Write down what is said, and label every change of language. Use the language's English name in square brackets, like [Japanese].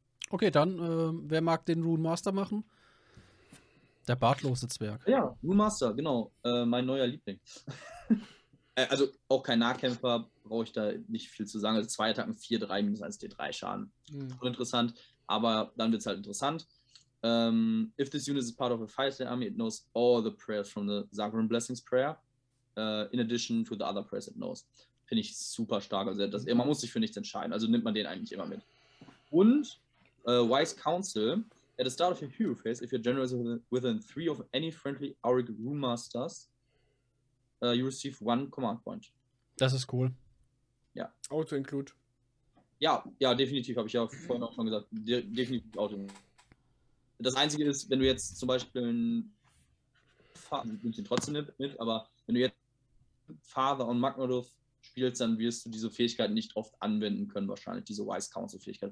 [German] Okay, dann, wer mag den Rune Master machen? Der bartlose Zwerg. Ja, Rune Master, genau. Mein neuer Liebling. Also auch kein Nahkämpfer, brauche ich da nicht viel zu sagen. Also 2 Attacken, 4-3 minus 1 D3 Schaden. Mhm. Interessant, aber dann wird es halt interessant. [English] If this unit is part of a fighting army, it knows all the prayers from the Zagran Blessings Prayer, in addition to the other prayers it knows. [German] Finde ich super stark. Also das, man muss sich für nichts entscheiden, also nimmt man den eigentlich immer mit. [English] Und Wise Counsel, at the start of your hero phase, if your general is within 3 of any friendly Auric Rune Masters, you receive 1 command point. [German] Das ist cool. Ja. Auto-include. Ja, ja, definitiv, habe ich ja vorhin auch schon gesagt. Definitiv auto-include. Das Einzige ist, wenn du jetzt zum Beispiel nimmst du ihn trotzdem mit, aber wenn du jetzt Father und Magnodorf spielst, dann wirst du diese Fähigkeit nicht oft anwenden können, wahrscheinlich, diese Wise Counsel-Fähigkeit.